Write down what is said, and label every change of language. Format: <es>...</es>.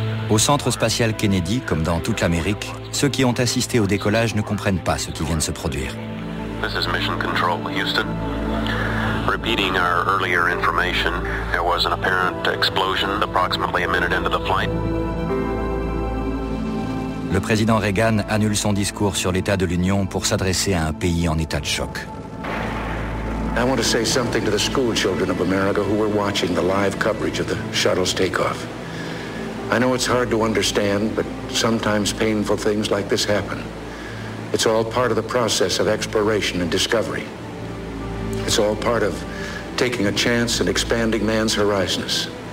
<fr>Au centre spatial Kennedy, comme dans toute l'Amérique, ceux qui ont assisté au décollage ne comprennent pas ce qui vient de se produire.</fr> <en>This is Mission Control, Houston. Repeating our earlier information, there was an apparent explosion approximately a minute into the flight.</en> <fr>Le président Reagan annule son discours sur l'état de l'Union pour s'adresser à un pays en état de choc.</fr> <en>I want to say something to the school children of America who were watching the live coverage of the shuttle's takeoff. I know it's hard to understand, but sometimes painful things like this happen. It's all part of the process of exploration and discovery. It's all part of taking a chance and expanding man's horizons.</en>